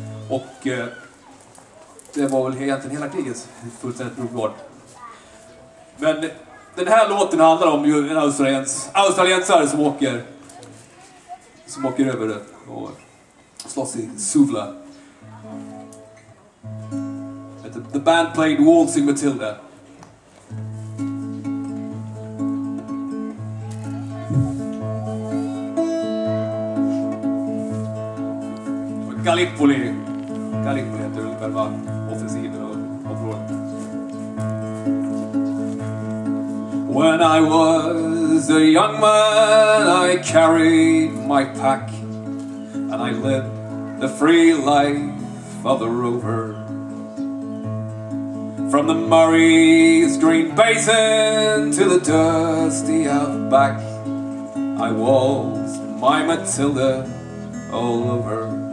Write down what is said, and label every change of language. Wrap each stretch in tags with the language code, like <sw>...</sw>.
<sv>Och det var väl egentligen hela kriget fullständigt blodbad. Men den här låten handlar om ju en australiensare som åker över det och slåss i Suvla.</sv> <en>The band played Waltzing Matilda.</en> <sv>Gallipoli heter väl själva offensiven och området.</sv> <en>When I was a young man I carried my pack and I lived the free life of a rover. From the Murray's green basin to the dusty outback I waltzed my Matilda all over.</en>